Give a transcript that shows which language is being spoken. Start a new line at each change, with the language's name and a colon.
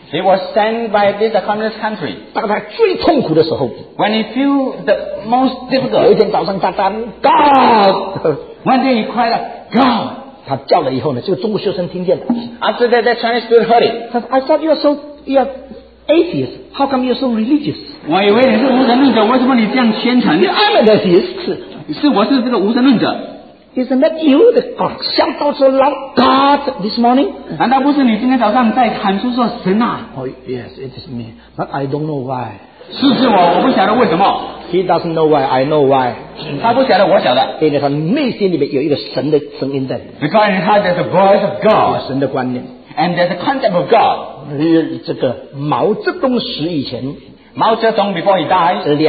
English: He was sent by this communist country.
Chinese: 当他最痛苦的时候,
English: when he feel the most difficult,
Chinese: 有一天早上他当, God!
English: One day he cried out, God!
Chinese: 他叫了以后呢, 这个中国学生听见了,
English: after that, that Chinese student heard it. I thought you are so, you are atheist. How come you are so religious?
Chinese: 我以为你是无神论者, 为什么你这样虔诚?
English: I'm an atheist.
Chinese: 是我是这个无神论者。
English: Isn't that you that shout out so loud, God, this morning?
Chinese: 难道不是你今天早上在喊出说神啊?
English: Oh, yes, it is me. But I don't know why.
Chinese: 是我不晓得为什么。
English: He doesn't know why, I know why.
Chinese: 他不晓得我晓得。因为他内心里面有一个神的声音在里面。
English: Because he has the voice of God.
Chinese: 有神的观念。
English: And there's a concept of God.
Chinese: 这个毛泽东死以前,
English: 毛泽东 before he died,